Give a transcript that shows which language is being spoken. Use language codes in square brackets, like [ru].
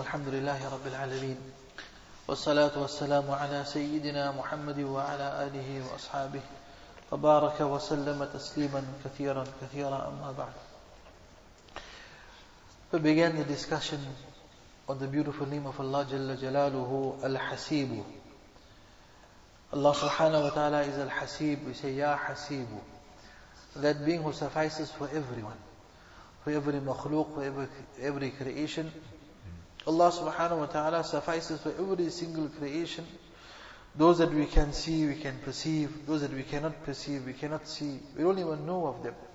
[ar] الحمد لله رب العالمين، والصلاة والسلام على سيدنا محمد وعلى آله وأصحابه تبارك وسلم تسليما كثيرا كثيرا. أما بعد، [en] we began the discussion on the beautiful name of Allah جل جلاله الحسيب. Allah سبحانه وتعالى is الحسيب. We say يا حسيب, that being who suffices for everyone, for every makhluk, for every creation. Allah subhanahu wa ta'ala suffices for every single creation. Those that we can see, we can perceive. Those that we cannot perceive, we cannot see. We don't even know of them.